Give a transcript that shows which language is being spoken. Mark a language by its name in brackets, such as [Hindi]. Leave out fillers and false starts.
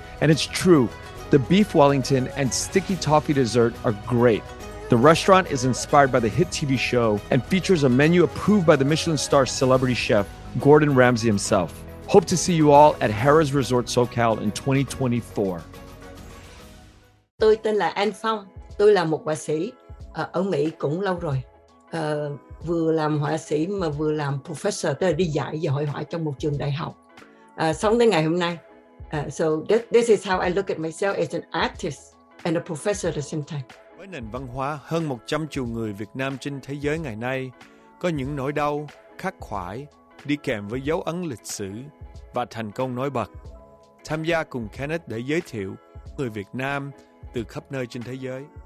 [English] And it's true, the beef Wellington and sticky toffee dessert are great. The restaurant is inspired by the hit TV show and features a menu approved by the Michelin star celebrity chef, Gordon Ramsay himself. Hope to see you all at Harrah's Resort SoCal in 2024. [Vietnamese] Tôi tên là An Phong. Tôi là một họa sĩ ở Mỹ cũng lâu rồi. Vừa làm họa sĩ mà vừa làm professor, tức là đi dạy và hội họa trong một trường đại học. Sống tới ngày hôm nay. [English] So this is how I look at myself as an artist and a professor at the same time. [Vietnamese] Với nền văn hóa hơn 100 triệu người Việt Nam trên thế giới ngày nay, có những nỗi đau, khắc khoải, đi kèm với dấu ấn lịch sử và thành công nổi bật. Tham gia cùng Kenneth để giới thiệu người Việt Nam từ khắp nơi trên thế giới.